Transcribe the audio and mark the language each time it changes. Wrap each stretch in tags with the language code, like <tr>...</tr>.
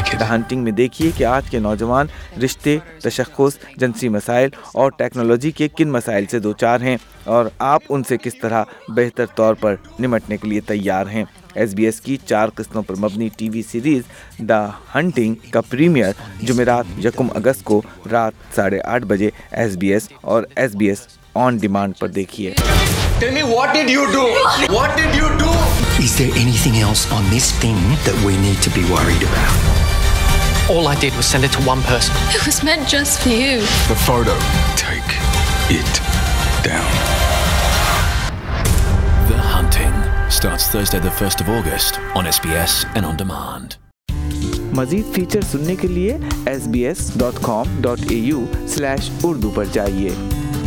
<ur>Hunting میں دیکھیے کہ آج کے نوجوان رشتے, تشخص, جنسی مسائل اور ٹیکنالوجی کے کن مسائل سے دوچار ہیں اور آپ ان سے کس طرح بہتر طور پر نمٹنے کے لیے تیار ہیں. ایس بی ایس کی 4 قسطوں پر مبنی ٹی وی سیریز دا ہنٹنگ کا پریمیئر جمعرات 1 اگست کو رات 8:30 بجے ایس بی ایس اور S B S on demand پر دیکھیے.</ur> <en>Is there anything else on this thing that we need to be worried about? All I did was send it to one person. It was meant just for you. The photo. Take it down. The Hunting starts Thursday the 1st of August on SBS and on demand.</en> <ur>مزید feature سننے کے لیے sbs.com.au/urdu پر جائیے.</ur>